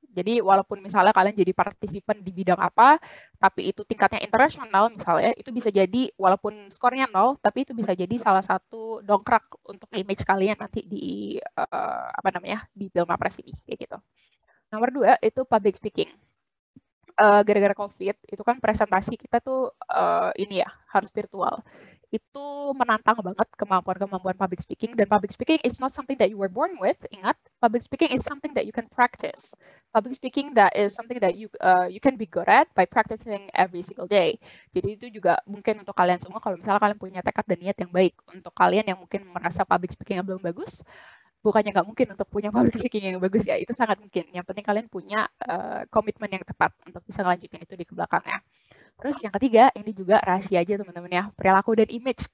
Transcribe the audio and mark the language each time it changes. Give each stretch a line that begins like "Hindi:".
Indonesian: Jadi walaupun misalnya kalian jadi partisipan di bidang apa, tapi itu tingkatnya internasional misalnya, itu bisa jadi walaupun skornya nol, tapi itu bisa jadi salah satu dongkrak untuk image kalian nanti di apa namanya di Pilmapres ini kayak gitu. Nomor dua itu public speaking. Gara-gara COVID itu kan presentasi kita tuh ini ya harus virtual. Itu menantang banget kemampuan-kemampuan public speaking, dan
English: public speaking is not something that you were born with.
Indonesian: Ingat,
English: public speaking is something that you can practice. Public speaking that is something that you can be good at by practicing every single day.
Indonesian: Jadi itu juga mungkin untuk kalian semua, kalau misalnya kalian punya tekad dan niat yang baik, untuk kalian yang mungkin merasa public speaking yang belum bagus, bukannya nggak mungkin untuk punya public speaking yang bagus ya, itu sangat mungkin. Yang penting kalian punya komitmen yang tepat untuk bisa ngelanjutin itu di kebelakangnya. Terus yang ketiga, ini juga rahasia aja teman-teman ya, perilaku dan image.